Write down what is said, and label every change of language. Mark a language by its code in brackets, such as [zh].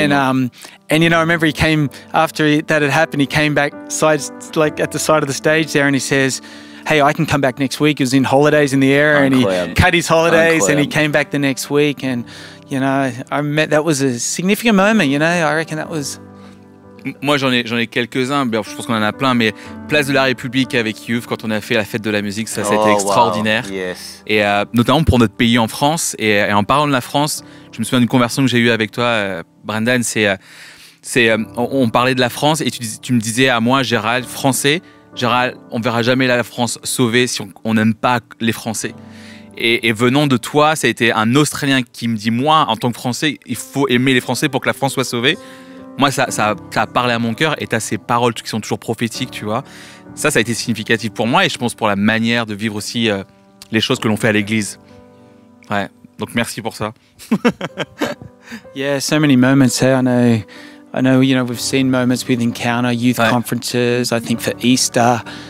[en] And you know, I remember he came after that had happened. He came back at the side of the stage there, and he says, "Hey, I can come back next week." He was in holidays in the area, [fr] Incroyable. [en] And he cut his holidays, Incroyable. And he came back the next week. And you know, that was a significant moment. You know, I reckon that was. [fr] Moi, j'en ai quelques-uns. Bien, je pense qu'on en a plein, mais Place de la République avec Youth, quand on a fait la fête de la musique, ça c'était extraordinaire. [en] Wow. Yes. [fr] Et notamment pour notre pays en France, et en parlant de la France, je me souviens d'une conversation que j'ai eue avec toi, Brendan. On parlait de la France et tu me disais à moi, Gérald, français, Gérald, on verra jamais la France sauvée si on n'aime pas les Français. Et venant de toi, ça a été un Australien qui me dit, moi, en tant que Français, il faut aimer les Français pour que la France soit sauvée. Moi, ça a parlé à mon cœur et tu as ces paroles qui sont toujours prophétiques, tu vois. Ça a été significatif pour moi et je pense pour la manière de vivre aussi les choses que l'on fait à l'église. Ouais, donc merci pour ça. [en] Yeah, so many moments, hey, I know, you know, we've seen moments with Encounter, youth conferences, I think for Easter.